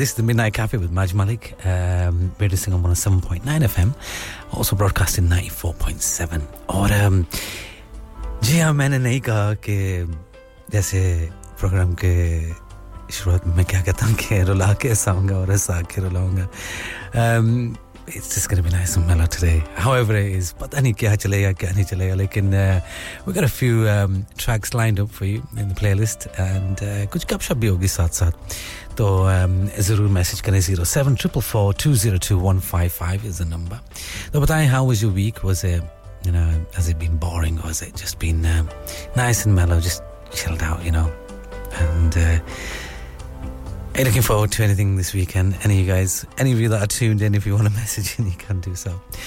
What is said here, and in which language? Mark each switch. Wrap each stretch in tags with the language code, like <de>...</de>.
<en>This is the Midnight Cafe with Maj Malik. Radio Sangam 107.9 FM. Also broadcasting 94.7.</en> <hi>और, जी हाँ, मैंने नहीं कहा के जैसे प्रोग्राम के शुरुआत में क्या कहता हूँ के रुला के सौंगा और ऐसा के रुलाऊँगा.</hi> <en>It's just going to be nice and mellow today. However it is,</en> <hi>पता नहीं क्या चलेगा क्या नहीं चलेगा, लेकिन</hi> <en>we got a few tracks lined up for you in the playlist and</en> <hi>कुछ गपशप भी होगी साथ साथ. तो ज़रूर मैसेज करें 07444202155</hi> <en>is the number.</en> <hi>To bataye,</hi> <en>how was your week? Was it, you know, has it been boring or has it just been nice and mellow, just chilled out, you know? And are you looking forward to anything this weekend? Any of you guys, any of you that are tuned in, if you want a message in, you can do so.</en>